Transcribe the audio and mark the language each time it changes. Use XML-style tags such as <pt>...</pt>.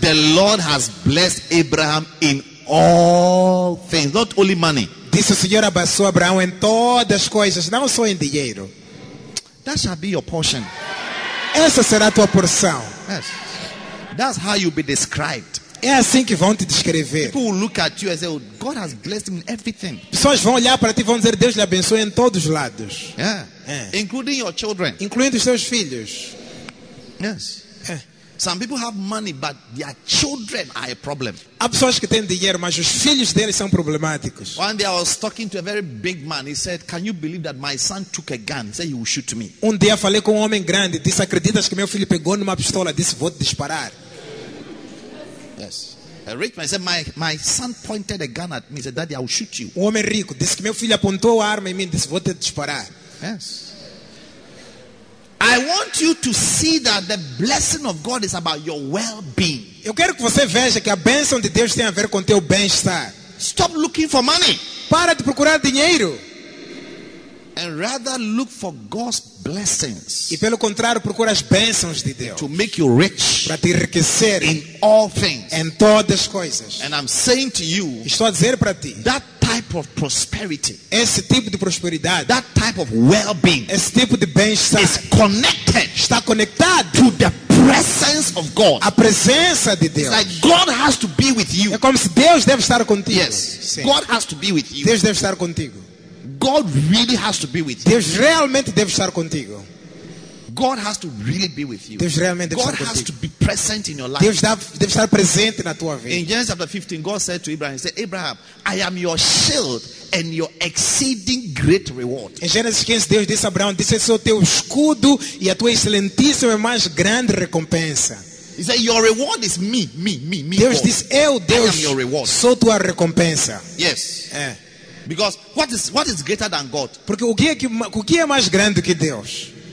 <en>The Lord has blessed Abraham in all things, not only money.</en> <pt>Disse o Senhor abençoou Abraão em todas as coisas, não só em dinheiro.</pt> <en>That shall be your portion.</en> <pt>Essa será a tua porção.</pt> <en>Yes. That's how you'll be described.</en> <pt>É assim que vão te descrever.</pt> <en>People will look at you and say, God has blessed me in everything.</en> <pt>Pessoas vão olhar para ti e vão dizer, Deus lhe abençoe em todos os lados.</pt> <en>Yeah. Yeah. Including your children.</en> <pt>Incluindo os seus filhos.</pt> <en>Yes. Some people have money, but their children are a problem.</en> <pt>Há pessoas que têm dinheiro, mas os filhos deles são problemáticos.</pt> <en>One day I was talking to a very big man. He said, "Can you believe that my son took a gun? He said he will shoot me."</en> <pt>Um dia falei com um homem grande. Disse, acreditas que meu filho pegou numa pistola? Disse, vou disparar.</pt> <en>Yes. A rich man said, "My son pointed a gun at me. He said, Daddy, I will shoot you."</en> <pt>Um homem rico disse que meu filho apontou a arma em mim. Disse, vou te disparar.</pt> <en>Yes. I want you to see that the blessing of God is about your well-being.</en> <pt>Eu quero que você veja que a bênção de Deus tem a ver com teu bem-estar.</pt> <en>Stop looking for money.</en> <pt>Para de procurar dinheiro.</pt> <en>And rather look for God's blessings.</en> <pt>E pelo contrário, procura as bênçãos de Deus.</pt> <en>To make you rich.</en> <pt>Para te enriquecer.</pt> <en>In all things.</en> <pt>Em todas as coisas.</pt> <en>And I'm saying to you.</en> <pt>Estou a dizer para ti.</pt> <en>That type of prosperity.</en> <pt>Esse tipo de prosperidade.</pt> <en>That type of well-being.</en> <pt>Esse tipo de bem-estar.</pt> <en>Is connected.</en> <pt>Está conectado.</pt> <en>To the presence of God.</en> <pt>A presença de Deus.</pt> <en>It's like God has to be with you.</en> <pt>É como se Deus deve estar contigo.</pt> <en>Yes.</en> <pt>Sim.</pt> <en>God has to be with you.</en> <pt>Deus deve estar contigo.</pt> <en>God really has to be with you.</en> <pt>Deus realmente deve estar contigo.</pt> <en>God has to really be with you.</en> <pt>Deus realmente deve</pt> <en>God</en> <pt>estar contigo.</pt> <en>God has to be present in your life.</en> <pt>Deus deve estar presente na tua vida.</pt> <en>In Genesis chapter 15, God said to Abraham, he said, Abraham, I am your shield and your exceeding great reward.</en> <pt>Em Gênesis 15, Deus disse a Abraão, disse, eu sou teu escudo e a tua excelentíssima e mais grande recompensa.</pt> <en>He said, your reward is me.</en> <pt>Deus disse, eu, Deus,</pt> <en>I am your reward.</en> <pt>Sou tua recompensa.</pt> <en>Yes.</en> <pt>É.</pt> <en>Because what is greater than God?</en> <pt>Porque o que é mais grande que Deus?</pt>